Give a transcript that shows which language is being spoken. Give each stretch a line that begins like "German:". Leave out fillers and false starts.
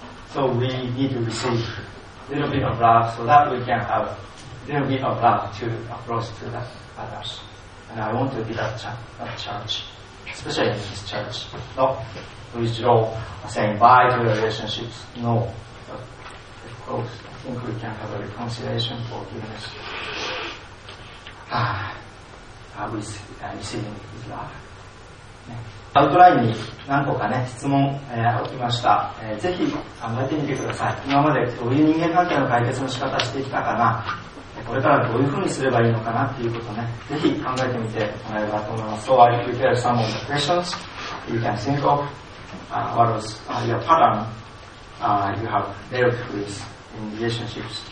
English: So we need to receive a little bit of love so that we can have a little bit of love to approach to the others. And I want to be that church, especially in this church. Not withdraw, saying bye to relationships. No. But of course, I think we can have a reconciliation for goodness. ああ、ブリス、リセリングは、
Japanese: アウトラインに何個かね、質問を置きました。ぜひ考えてみてください。今までどういう人間関係の解決の仕方をしてきたかな、これからどういうふうにすればいいのかなっていうことをね、ぜひ考えてみてもらえればと思います。
English: So, are you prepared for some of the questions you can think of? What was your pattern you have dealt with in relationships?